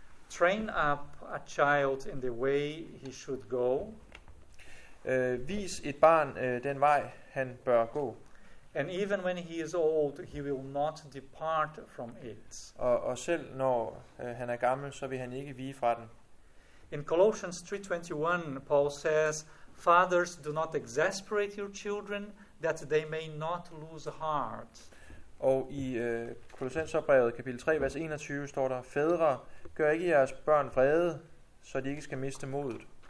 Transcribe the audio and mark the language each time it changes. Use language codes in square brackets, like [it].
[en] Train up a child in the way he should go. [da] Vis et barn den vej, han bør gå. [en] And even when he is old, he will not depart from it. [da] Og selv når han er gammel, så vil han ikke vige fra den. [en] In Colossians 3:21, Paul says, "Fathers, do not exasperate your children, that they may not lose heart." [da] Og i Kolossenserbrevet kapitel 3 vers 21 står der: "Fædre, gør ikke jeres børn vrede, så de ikke skal miste modet."